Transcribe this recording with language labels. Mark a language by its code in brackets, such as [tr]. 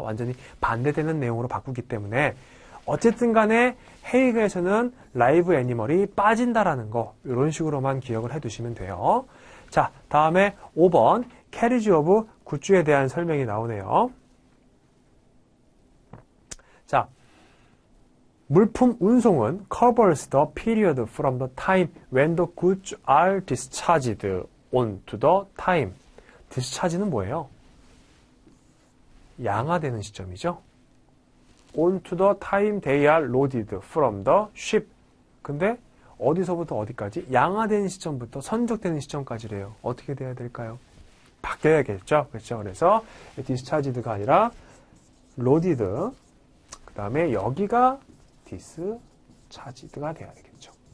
[ko] 완전히 반대되는 내용으로 바꾸기 때문에 어쨌든 간에 헤이그에서는 라이브 애니멀이 빠진다라는 거 이런 식으로만 기억을 해두시면 돼요. 자, 다음에 5번 캐리지 오브 굿즈에 대한 설명이 나오네요. 자, 물품 운송은 [en] covers the period from the time when the goods are discharged on to the time. [ko] discharge는 뭐예요? 양화되는 시점이죠. [en] on to the time they are loaded from the ship. [ko] 근데 어디서부터 어디까지? 양화된 시점부터 선적되는 시점까지래요. 어떻게 돼야 될까요? 바뀌어야겠죠. 그렇죠? 그래서 discharged가 아니라 loaded. 그다음에 여기가 discharged가 돼야 되겠죠.